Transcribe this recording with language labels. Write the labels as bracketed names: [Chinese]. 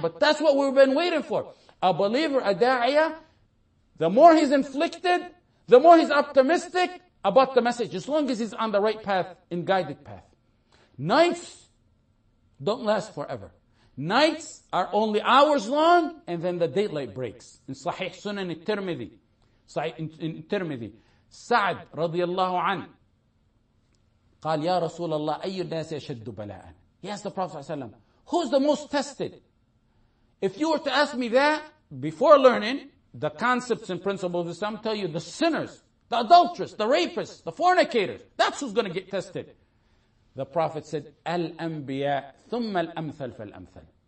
[English] But that's what we've been waiting for. A believer, a da'iyah, the more he's inflicted, the more he's optimistic about the message, as long as he's on the right path and guided path. Nights don't last forever. Nights are only hours long, and then the daylight breaks. In Sahih Sunan al-Tirmidhi, Sa'd radiallahu anhu, [Arabic] قال يا رسول الله أي الناس يشد بلاء. [English] He asked the Prophet ﷺ, who's the most tested? If you were to ask me that before learning the concepts and principles of Islam, tell you the sinners, the adulterers, the rapists, the fornicators, that's who's going to get tested. The Prophet said, Al-Anbiya, [Arabic] ثُمَّ الْأَمْثَلْ فَالْأَمْثَلْ.